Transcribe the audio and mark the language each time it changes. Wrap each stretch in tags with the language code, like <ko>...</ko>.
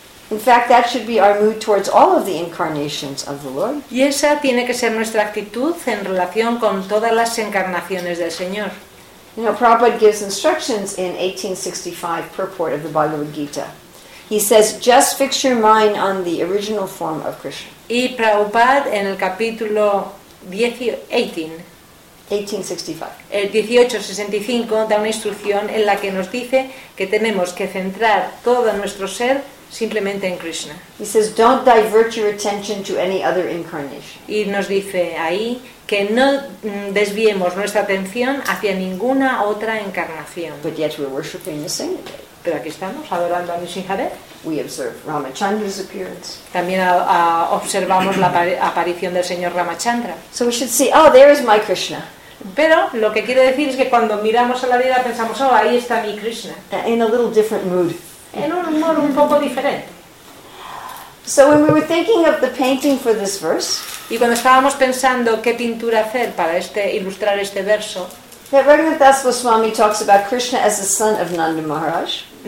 <en>In fact, that should be our mood towards all of the incarnations of the Lord.</en> <es>Y esa tiene que ser nuestra actitud en relación con todas las encarnaciones del Señor.</es> <en>You know, Prabhupada gives instructions in 1865 purport of the Bhagavad Gita. He says, just fix your mind on the original form of Krishna.</en> <es>Y Prabhupada en el capítulo 1865. El 1865 da una instrucción en la que nos dice que tenemos que centrar todo nuestro ser simplemente en Krishna.</es> <en>He says, don't divert your attention to any other incarnation.</en> <es>Y nos dice ahí que no desviemos nuestra atención hacia ninguna otra encarnación.</es> <en>But yet we're worshiping the same day.</en> <es>Pero aquí estamos, adorando a Nrisimhadev.</es> <en>We observe Ramachandra's appearance.</en> <es>También observamos la aparición del señor Ramachandra.</es> <en>So we should see, oh, there is my Krishna.</en> <es>Pero lo que quiere decir es que cuando miramos a la vida pensamos, oh, ahí está mi Krishna.</es> <en>In a little different mood.</en> <es>En un humor un poco diferente.</es> <en>So when we were thinking of the painting for this verse,</en> <es>y cuando estábamos pensando qué pintura hacer para ilustrar este verso,</es> <en>that Raghunath Das Goswami talks about Krishna as the son of Nanda Maharaj.</en>